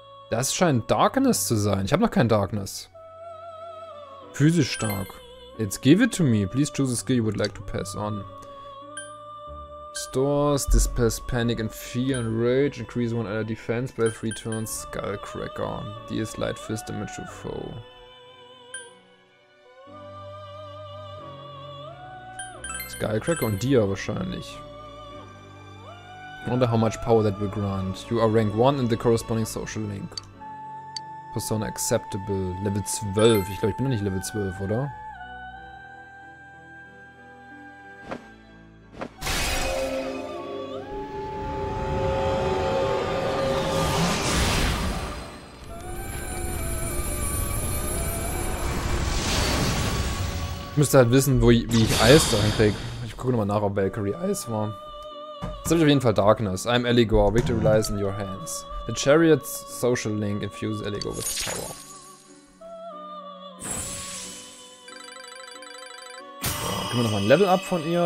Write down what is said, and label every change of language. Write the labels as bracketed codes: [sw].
[de] Das scheint Darkness zu sein. Ich habe noch kein Darkness. Physisch stark. [en] Let's give it to me. Please choose a skill you would like to pass on. Stores, dispels panic and fear and rage. Increase one other defense by 3 turns. Skullcracker. Deals light fist damage to foe. [de] Skullcracker und Dia wahrscheinlich. [en] I wonder how much power that will grant. You are rank 1 in the corresponding social link. Persona acceptable. Level 12. [de] Ich glaube, ich bin noch nicht Level 12, oder? Ich müsste halt wissen, wie ich Eis da hinkriege. Ich gucke nochmal nach, ob Valkyrie Eis war. Jetzt habe ich auf jeden Fall Darkness. [en] I'm Eligor. Victory lies in your hands. The Chariot's social link infuses Eligor with power. [de] So, können wir nochmal ein Level-Up von ihr?